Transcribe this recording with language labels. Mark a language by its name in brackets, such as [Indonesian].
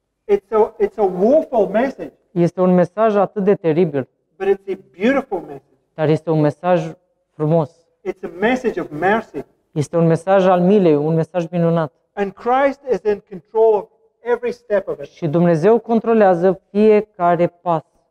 [English] It's a woeful message. [Romanian] Este un mesaj atât de teribil. [English] But it's a beautiful message. [Romanian] Dar este un mesaj frumos. [English] It's a message of mercy. [Romanian] Este un mesaj al milei, un mesaj minunat. [English] And Christ is in control of every step of it. [Romanian] Și Dumnezeu controlează fiecare pas.